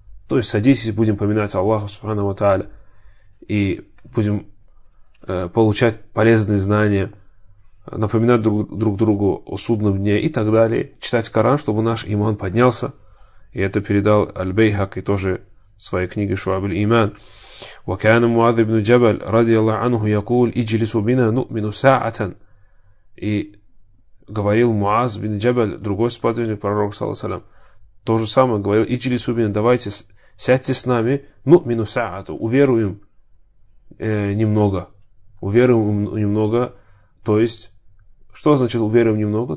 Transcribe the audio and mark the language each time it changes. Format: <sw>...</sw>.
<ru>То есть садитесь, будем поминать Аллаха, субхана ва тааля, и будем получать полезные знания, напоминать друг другу о судном дне и так далее, читать Коран, чтобы наш иман поднялся. И это передал Аль-Бейхак и тоже в своей книге «Шуабиль Иман».</ru> <ar>وكان معاذ بن جبل رضي الله عنه يقول اجلسوا بنا نؤمن ساعة.</ar> <ru>И говорил Муаз бин Джабаль, другой сподвижник пророка, саллаллаху алейхи ва саллям, то же самое говорил,</ru> <ar>иджлису бина,</ar> <ru>давайте сядьте с нами,</ru> <ar>нуъмину саату,</ar> <ru>уверуем немного. Уверуем немного, то есть что значит уверуем немного?</ru>